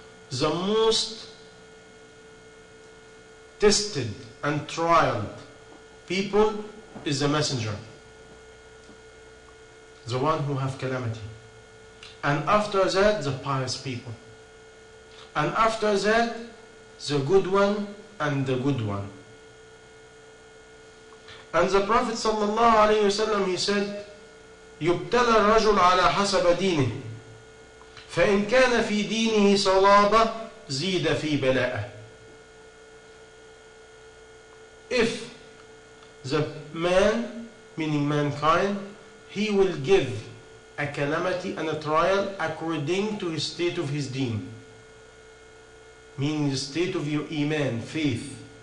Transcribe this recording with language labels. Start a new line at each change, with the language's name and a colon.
English: The most tested and trialed people is the messenger, the one who have calamity, and after that the pious people, and after that the good one and the good one. And the Prophet sallallahu alayhi wasallam, he said,
Arabic: يبتلى الرجل على حسب دينه فإن كان في دينه صلابة زيد في بلاء.
English: If the man, meaning mankind, he will give a calamity and a trial according to his state of his deen, meaning the state of your iman, faith.